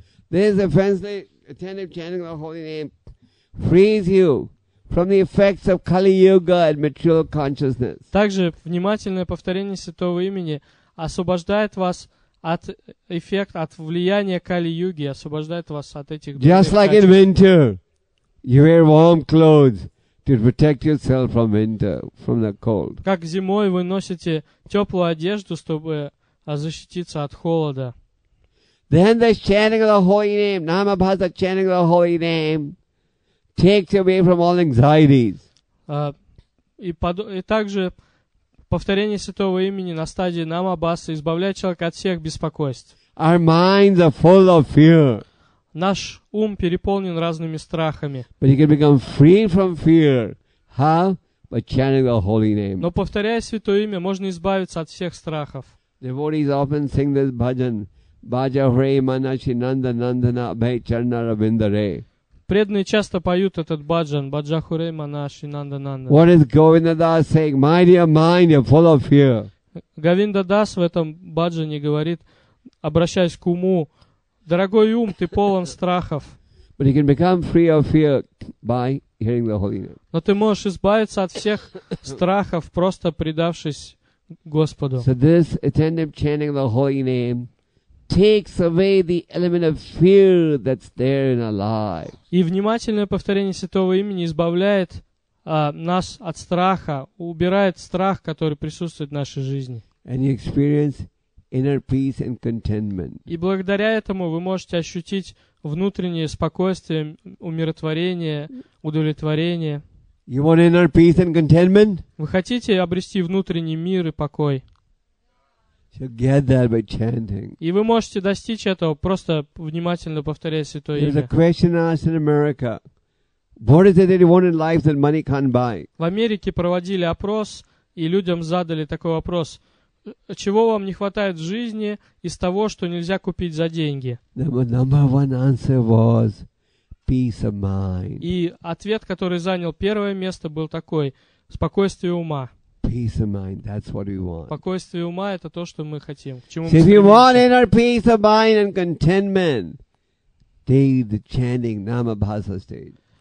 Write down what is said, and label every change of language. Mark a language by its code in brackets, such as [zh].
[en] This offensively attentive chanting of the holy name frees you from the effects of Kali Yuga and material consciousness. [ru] Также внимательное повторение святого имени освобождает вас от эффект от влияния Кали Юги, освобождает вас от этих. [en] Just like in winter, you wear warm clothes to protect yourself from winter, from the cold. [ru] Как зимой вы носите теплую одежду, чтобы защититься от холода. [en] Then the chanting of the holy name, Namabhasa chanting of the holy name, takes away from all anxieties. [ru] И также повторение святого имени на стадии Намабасы избавляет человека от всех беспокойств. [en] Our minds are full of fear. [ru] Наш ум переполнен разными страхами. [en] But you can become free from fear. How? By chanting the holy name. [ru] Но повторяя святое имя, можно избавиться от всех страхов. [en] Devotees often sing this bhajan. Bhaja Hare Manashi Nanda Nandana Abhay Charna Ravindare. [ru] Преданные часто поют этот баджан, Баджахуре Манаши Нанда Нанда. [en] What is Govinda Das saying? My dear mind, you're full of fear. [ru] Govinda Das в этом баджане говорит, обращаясь к уму, дорогой ум, ты полон страхов. [en] But you can become free of fear by hearing the holy name. [ru] Но ты можешь избавиться от всех страхов, просто предавшись Господу. [en] So this attentive chanting the holy name takes away the element of fear that's there in our lives. [ru] И внимательное повторение святого имени избавляет нас от страха, убирает страх, который присутствует в нашей жизни. [en] And you experience inner peace and contentment. [ru] И благодаря этому вы можете ощутить внутреннее спокойствие, умиротворение, удовлетворение. [en] You want inner peace and contentment? [ru] Вы хотите обрести внутренний мир и покой? [en] You get that by chanting. [ru] И вы можете достичь этого, просто внимательно повторяя святое имя. [en] There's a question asked in America. What is it that you want in life that money can't buy? [ru] В Америке проводили опрос, и людям задали такой вопрос. Чего вам не хватает в жизни из того, что нельзя купить за деньги? [en] The number one answer was peace of mind. [ru] И ответ, который занял первое место, был такой. Спокойствие ума. [en] Peace of mind, that's what we want. [ru] Спокойствие ума — это то, что мы хотим. [en] If you want inner peace of mind and contentment, do the chanting Namabhasa stage.